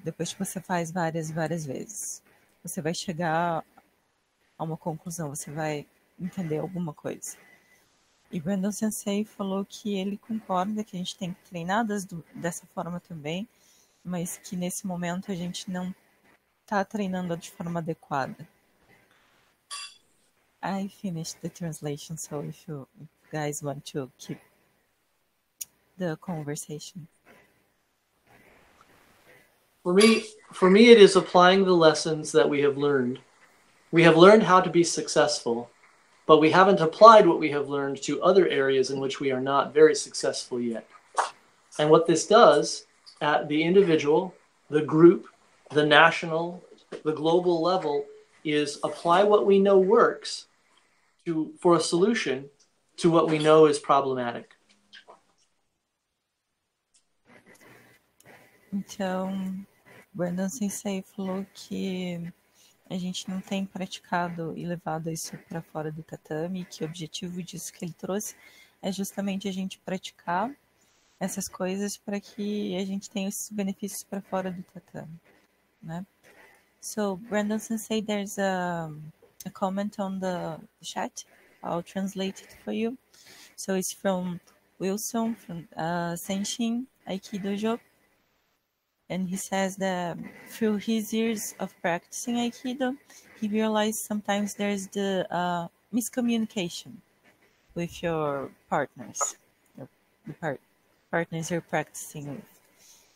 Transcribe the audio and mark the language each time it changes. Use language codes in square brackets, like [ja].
[pt] Depois que você faz várias vezes, você vai chegar a uma conclusão, você vai entender alguma coisa. E Brandon Sensei falou que ele concorda que a gente tem que treinar dessa forma também, mas que nesse momento a gente não está treinando de forma adequada. [en] I finished the translation, so if you guys want to keep the conversation. For me, it is applying the lessons that we have learned. We have learned how to be successful, but we haven't applied what we have learned to other areas in which we are not very successful yet. And what this does at the individual, the group, the national, the global level is apply what we know works for a solution to what we know is problematic. [pt] Então, Brandon Sensei falou que a gente não tem praticado e levado isso para fora do tatame, que o objetivo disso que ele trouxe é justamente a gente praticar essas coisas para que a gente tenha esses benefícios para fora do tatame, né? [en] So, Brandon Sensei, there's a comment on the chat. I'll translate it for you. So, it's from Wilson from Senshin Aikido Jo. And he says that through his years of practicing Aikido, he realized sometimes there's the miscommunication with your partners, partners you're practicing with.